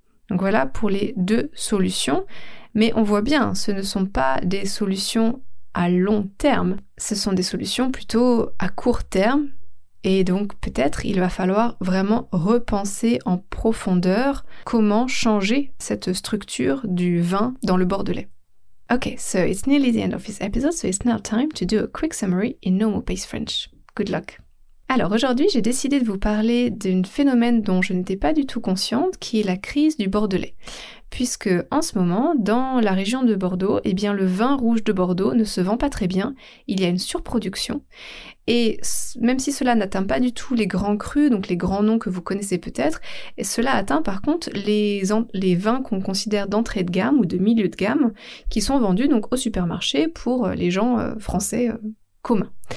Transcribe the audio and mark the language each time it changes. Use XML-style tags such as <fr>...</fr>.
<fr>Donc voilà pour les deux solutions. Mais on voit bien, ce ne sont pas des solutions à long terme. Ce sont des solutions plutôt à court terme. Et donc peut-être il va falloir vraiment repenser en profondeur comment changer cette structure du vin dans le bordelais.</fr> <en>Okay, so it's nearly the end of this episode, so it's now time to do a quick summary in normal pace French. Good luck.</en> <fr>Alors aujourd'hui, j'ai décidé de vous parler d'un phénomène dont je n'étais pas du tout consciente, qui est la crise du bordelais. Puisque en ce moment, dans la région de Bordeaux, eh bien le vin rouge de Bordeaux ne se vend pas très bien, il y a une surproduction. Et même si cela n'atteint pas du tout les grands crus, donc les grands noms que vous connaissez peut-être, cela atteint par contre les vins qu'on considère d'entrée de gamme ou de milieu de gamme, qui sont vendus donc au supermarché pour les gens français communs.</fr>